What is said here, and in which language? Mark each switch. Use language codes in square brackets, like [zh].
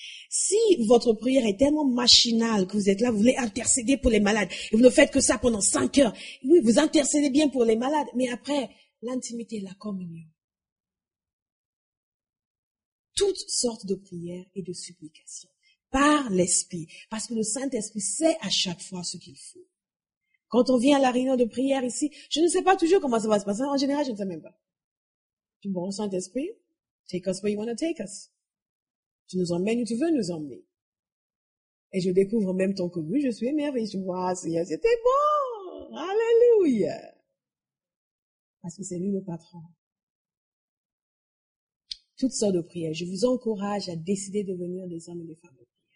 [fr] Si votre prière est tellement machinale que vous êtes là, vous voulez intercéder pour les malades, et vous ne faites que ça pendant 5 heures, oui, vous intercédez bien pour les malades, mais après, l'intimité, la communion. Toutes sortes de prières et de supplications, par l'Esprit, parce que le Saint-Esprit sait à chaque fois ce qu'il faut. Quand on vient à la réunion de prière ici, je ne sais pas toujours comment ça va se passer, en général, je ne sais même pas. [en] Bon, Saint-Esprit, take us where you want to take us. [fr] Tu nous emmènes où tu veux nous emmener. Et je découvre en même temps que vous, je suis émerveillée. Je vois, Seigneur, c'était bon. Alléluia. Parce que c'est lui le patron. Toutes sortes de prières. Je vous encourage à décider de devenir des hommes et des femmes de prière.